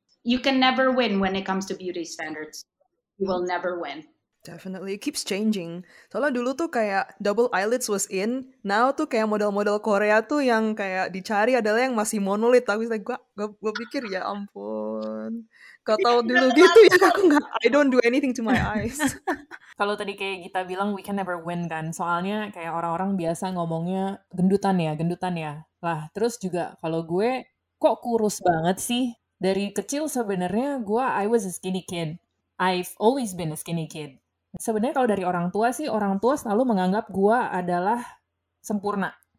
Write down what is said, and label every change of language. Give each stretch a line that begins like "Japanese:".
English: You can never win when it comes to beauty standards. You will never win. Definitely, it keeps changing.
Indonesian: Soalnya dulu tuh kayak
English: double eyelids was in,
Indonesian: now tuh kayak model-model Korea tuh yang kayak dicari adalah yang masih monolid. Tapi like, gue pikir ya ampun, gak tau dulu gitu ya, aku gak,
English: I don't do anything to my eyes.
Indonesian: Kalau tadi kayak Gita bilang,
English: we can never win
Indonesian: kan, soalnya kayak orang-orang biasa ngomongnya gendutan ya. Lah, terus juga kalau gue, kok kurus banget sih? Dari kecil sebenarnya gue,
English: I was a skinny kid. I've always been a skinny kid.
Indonesian: Sebenarnya kalau dari orang tua sih, orang tua selalu menganggap gue adalah sempurna.